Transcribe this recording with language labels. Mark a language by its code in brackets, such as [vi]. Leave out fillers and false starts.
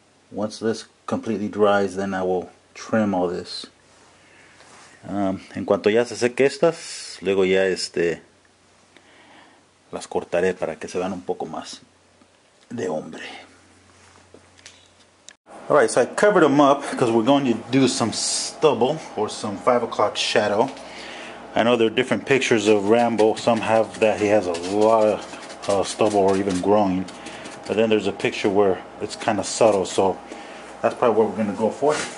[en] Once this completely dries, then I will trim all this. [es] En cuanto ya se seque estas, luego ya las cortaré para que se vean un poco más de hombre. [en] Alright, so I covered them up because we're going to do some stubble or some 5 o'clock shadow. I know there are different pictures of Rambo. Some have that he has a lot of stubble or even growing. But then there's a picture where it's kind of subtle. So that's probably what we're going to go for.